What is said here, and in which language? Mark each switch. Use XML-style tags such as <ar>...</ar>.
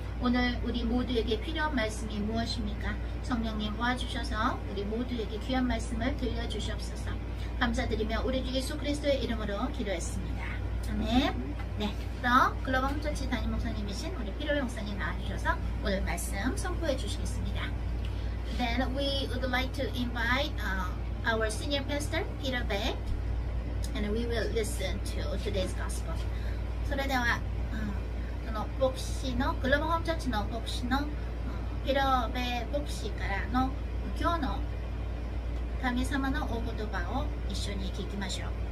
<ko>오늘 우리 모두에게 필요한 말씀이 무엇입니까? 성령님 와주셔서 우리 모두에게 귀한 말씀을 들려주시옵소서. 감사드리며 우리 주 예수 그리스도의 이름으로 기도했습니다. 아멘. 네, 그럼 글로벌 홈처치 담임 목사님이신 우리 피로의 목사님 나와주셔서 오늘 말씀 선포해 주시겠습니다.</ko> <en>Then we would like to invite our senior pastor, Peter Beck, and we will listen to today's gospel.</en> <ja>それでは、その牧師の、グローバルホームチャーチの牧師の、ピロベ牧師からの今日の神様のお言葉を一緒に聞きましょう。</ja>